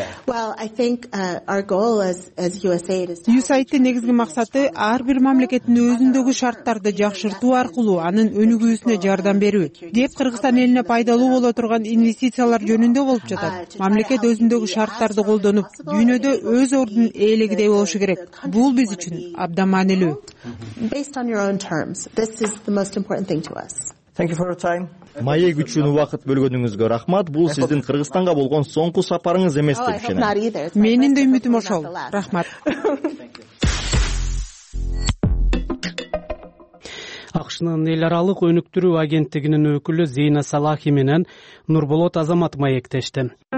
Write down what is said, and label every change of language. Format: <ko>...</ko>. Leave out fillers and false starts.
<ky>USAID'тин негизги максаты ар бир мамлекеттин өзүндөгү шарттарды жакшыртуу аркылуу анын өнүгүүсүнө жардам берүү деп Кыргызстан элине пайдалуу боло турган инвестициялар жөнүндө болуп жатат. Мамлекет өзүндөгү шарттарды колдонуп, дүйнөдө өз ордун ээлегидей болушу керек. Бул биз үчүн абдан маанилүү.</ky> <en>Based on your own terms, this is the most important thing to us. Thank you for your time.</en> <ky>Маек үчүн убакыт бөлгөнүңүзгө рахмат. Бул сиздин Кыргызстанга болгон соңку сапарыңыз эмес деп ишенем. Менин да үмүтүм ошол. Рахмат. АКШнын эл аралык өнүктүрүү агенттигинин өкүлү Зейна Салахи менен Нурболот Азамат маектешти.</ky>